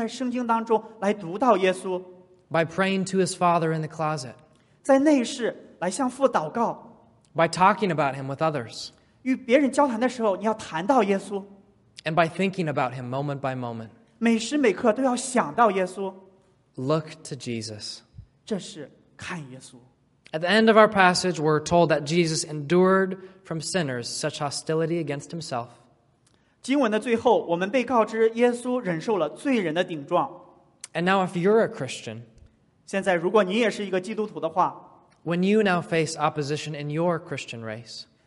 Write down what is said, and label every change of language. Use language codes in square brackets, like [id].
[zh] 聚焦于他，看耶稣，仰望耶稣，就是在圣经当中来读到耶稣。 [en] By praying to his Father in the closet. [zh] 在内室来向父祷告。 [en] By talking about him with others. [zh] 与别人交谈的时候，你要谈到耶稣。 [en] And by thinking about him moment by moment. [zh] 每时每刻都要想到耶稣。 [en] Look to Jesus. [zh] 这是看耶稣。 [en] At the end of our passage, we're told that Jesus endured from sinners such hostility against himself. [zh] 经文的最后，我们被告知耶稣忍受了罪人的顶撞。 [en] And now if you're a Christian, [zh] 现在如果你也是一个基督徒的话, [en] when you now face opposition in your Christian race,